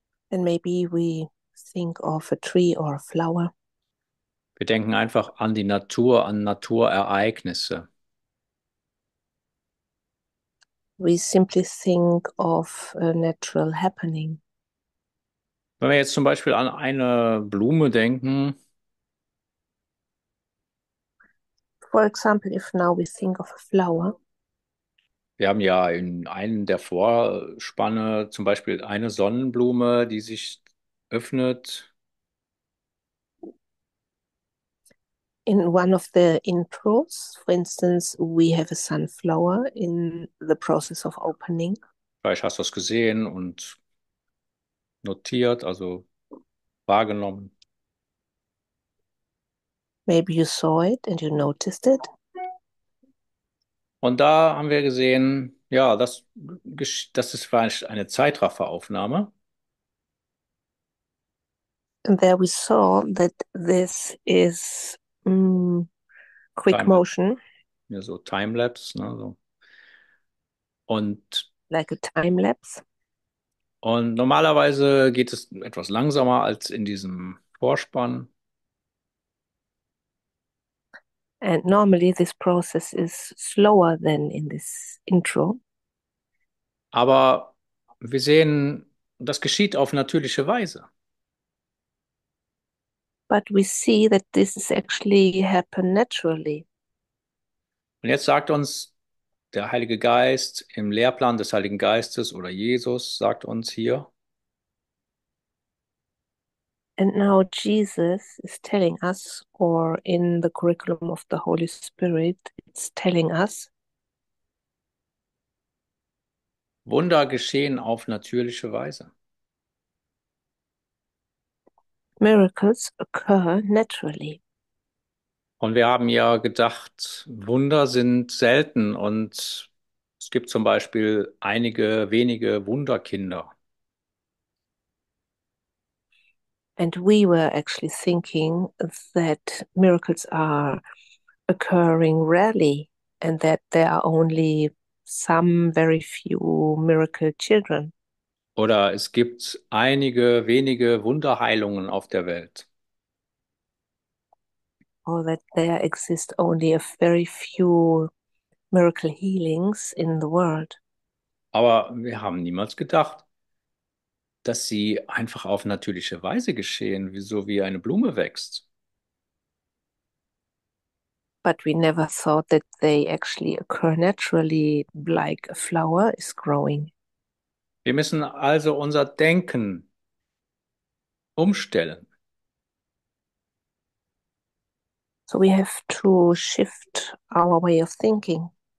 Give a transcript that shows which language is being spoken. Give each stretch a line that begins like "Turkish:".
English: And maybe we think of a tree or a flower.
German: Wir denken einfach an die Natur, an Naturereignisse.
English: We simply think of a natural happening.
German: Wenn wir jetzt zum Beispiel an eine Blume denken,
English: for example, if now we think of a flower.
German: Wir haben ja in einem der Vorspanne zum Beispiel eine Sonnenblume, die sich öffnet.
English: In one of the intros, for instance, we have a sunflower in the process of opening.
German: Vielleicht hast du es gesehen und notiert, also wahrgenommen.
English: Maybe you saw it and you noticed it.
German: Und da haben wir gesehen, ja, das ist vielleicht eine Zeitrafferaufnahme.
English: And there we saw that this is quick motion.
German: Ja, so Timelapse, ne, so. Und
English: like a timelapse.
German: Und normalerweise geht es etwas langsamer als in diesem Vorspann.
English: And normally this process is slower than in this intro.
German: Aber wir sehen, das geschieht auf natürliche Weise.
English: But we see that this is actually happen naturally.
German: Und jetzt sagt uns der Heilige Geist im Lehrplan des Heiligen Geistes oder Jesus sagt uns hier.
English: And now Jesus is telling us, or in the curriculum of the Holy Spirit, it's telling us.
German: Wunder geschehen auf natürliche Weise.
English: Miracles occur naturally.
German: Und wir haben ja gedacht, Wunder sind selten und es gibt zum Beispiel einige wenige Wunderkinder.
English: And we were actually thinking that miracles are occurring rarely and that there are only some very few miracle children.
German: Oder es gibt einige wenige Wunderheilungen auf der Welt.
English: Or that there exist only a very few miracle healings in the world.
German: Aber wir haben niemals gedacht, dass sie einfach auf natürliche Weise geschehen, wie so wie eine Blume wächst.
English: But we never thought that they actually occur naturally, like a flower is growing.
German: Wir müssen also unser Denken umstellen.
English: So we have to shift our way of thinking.